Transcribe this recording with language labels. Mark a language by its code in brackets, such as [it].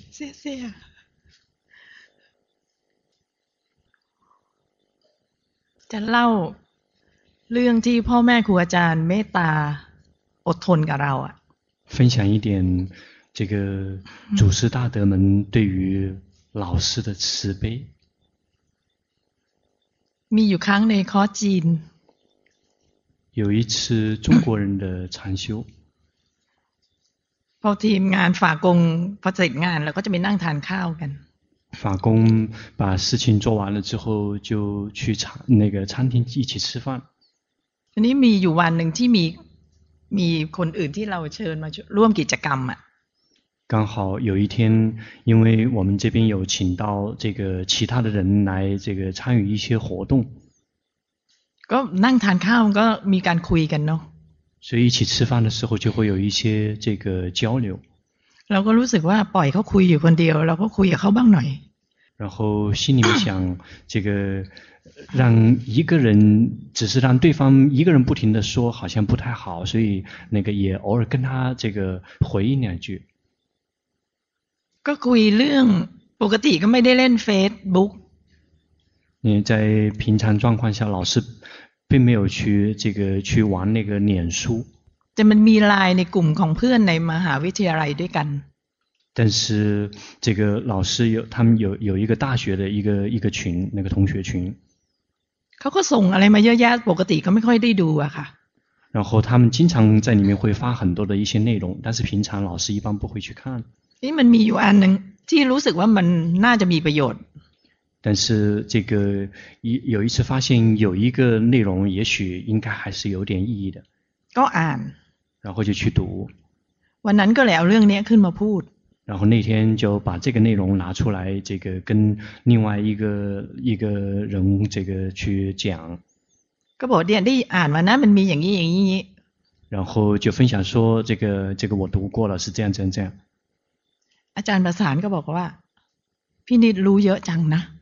[zh] 谢谢 [th] จะเล่าเรื่องที่พ่อแม่ครูอาจารย์เมตตาอดทนกับเราอ่ [zh] ะ分享一点这个祖师大德们对于老师的慈悲 [th] มีอยู่ครั้งในคอร์สจีน [zh] 有一次中国人的禅修 [th] พอทีมงานฝากงพอเสร็จงานแล้วก็จะไปนั่งทานข้าวกัน [zh] 法工把事情做完了之后就去那个餐厅一起吃饭 [th] ทีนี้มีอยู่วันหนึ่งที่มีคนอื่นที่เราเชิญมาร่วมกิจกรรมอ่ะ [zh] 刚好有一天，因为我们这边有请到这个其他的人来这个参与一些活动， [th] ก็นั่งทานข้าวก็มีการคุยกันเนาะ。 [zh] 所以一起吃饭的时候就会有一些这个交流。 [th] เราก็รู้สึกว่าปล่อยเขาคุยอยู่คนเดียวเราก็คุยกับเขาบ้างหน่อย。 [zh] 然后心里面想这个让一个人只是让对方一个人不停的说好像不太好，所以那个也偶尔跟他这个回应两句。 [th] ก็คุยเรื่องปกติก็ไม่ได้เล่นเฟซบุ๊ก [zh] 你在平常状况下老师并没有去这个去玩那个脸书 [th] แต่มันมีไลน์ในกลุ่มของเพื่อนในมหาวิทยาลัยด้วยกัน [zh] 但是这个老师有他们有一个大学的一个群那个同学群 [th] เขาก็ส่งอะไรมาเยอะแยะปกติก็ไม่ค่อยได้ดูอะค่ะ [zh] 然后他们经常在里面会发很多的一些内容但是平常老师一般不会去看 [th] นี่มันมีอยู่อันหนึ่งที่รู้สึกว่ามันน่าจะมีประโยชน์ [zh] 但是这个有一次发现有一个内容也许应该还是有点意义的 [th] ก็อ่าน [zh] 然后就去读 [th] วันนั้นก็เลยเอาเรื่องนี้ขึ้นมาพูด [zh] 然后那天就把这个内容拿出来这个跟另外一个人这个去讲 [th] ก็บอกเนี่ยได้อ่านวันนั้นมันมีอย่างนี้อย่างนี้ [zh] 然后就分享说这个我读过了是这样这样这样 [th] อาจารย์ประสานก็บอกว่าพี่นิดรู้เยอะจังนะ